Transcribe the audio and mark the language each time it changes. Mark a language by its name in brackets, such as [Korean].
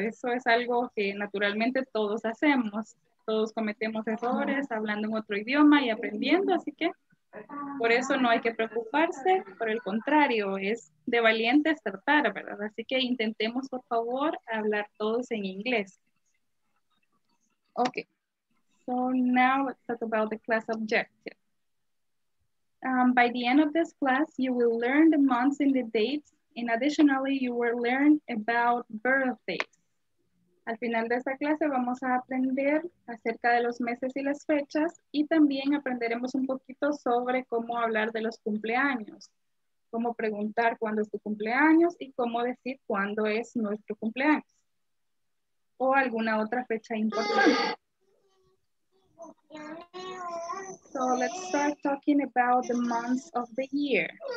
[Spanish] Eso es algo que naturalmente todos hacemos. Todos cometemos errores hablando en otro idioma y aprendiendo, así que por eso no hay que preocuparse, por el contrario, es de valientes tratar, ¿verdad? Así que intentemos, por favor, hablar todos en inglés. [English] Ok, so now let's talk about the class objective. By the end of this class, you will learn the months and the dates, and additionally, you will learn about birthdays. [Spanish] Al final de esta clase vamos a aprender acerca de los meses y las fechas, y también aprenderemos un poquito sobre cómo hablar de los cumpleaños, cómo preguntar cuándo es tu cumpleaños y cómo decir cuándo es nuestro cumpleaños o alguna otra fecha importante. [English] So let's start talking about the months of the year.